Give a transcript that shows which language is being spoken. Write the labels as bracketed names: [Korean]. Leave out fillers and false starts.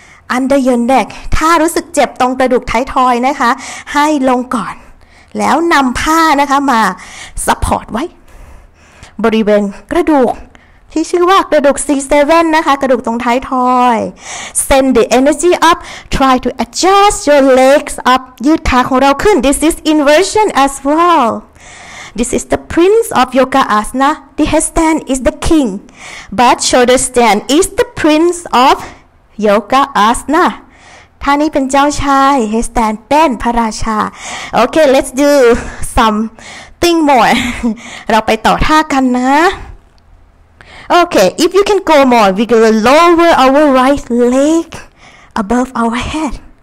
[English] under your neck [Thai] ถ้ารู้สึกเจ็บตรงกระดูกท้ายทอยนะคะให้ลงก่อนแล้วนำผ้านะคะมาซัพพอร์ตไว้บริเวณกระดูกที่ชื่อว่ากระดูก C7 นะคะกระดูกตรงท้ายทอย [English] Send the energy up try to adjust your legs up [Thai] ยืดขาของเราขึ้น [English] This is inversion as wellThis is the prince of yoga asana. The headstand is the king, but shoulder stand is the prince of yoga asana. [Thai] ท่านี้เป็นเจ้าชาย headstand เป็นพระราชา [English] Okay, let's do something more. [Thai] เราไปต่อท่ากันนะ [English] Okay, if you can go more, we will lower our right leg above our head.